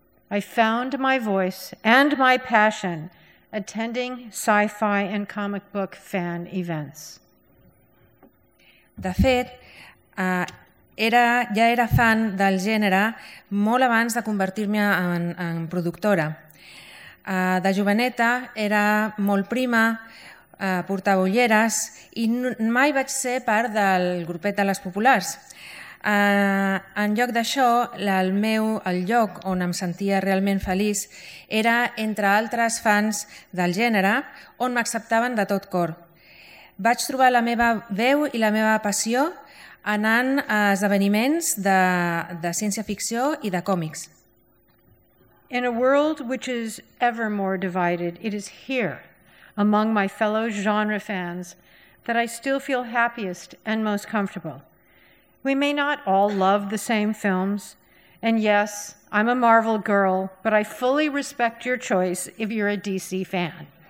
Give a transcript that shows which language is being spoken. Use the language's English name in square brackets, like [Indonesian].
[English] I found my voice and my passion attending sci-fi and comic book fan events. [Catalan] De fet, ja era fan del gènere molt abans de convertir-me en productora. De joveneta era molt prima, portava ulleres i mai vaig ser part del grupet de les populars. En lloc d'això, el lloc on em sentia realment feliç era entre altres fans del gènere, on m'acceptaven de tot cor. Vaig trobar la meva veu i la meva passió anant a esdeveniments de ciència-ficció i de còmics. [English] In a world which is ever more divided, it is here, among my fellow genre fans, that I still feel happiest and most comfortable. We may not all love the same films, and yes, I'm a Marvel girl, but I fully respect your choice if you're a DC fan.